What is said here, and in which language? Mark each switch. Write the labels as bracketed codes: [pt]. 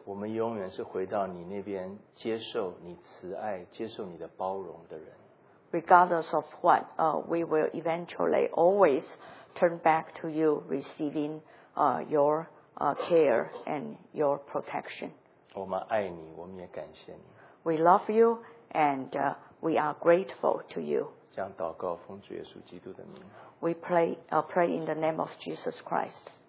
[zh] 我们永远是回到你那边接受你慈爱，接受你的包容的人。 [en] Regardless of what, we will eventually always turn back to you, receiving your care and your protection. [zh] 我们爱你，我们也感谢你。 [en] We love you and we are grateful to you. [zh] 这样祷告，奉主耶稣基督的名。 [en] We pray in the name of Jesus Christ.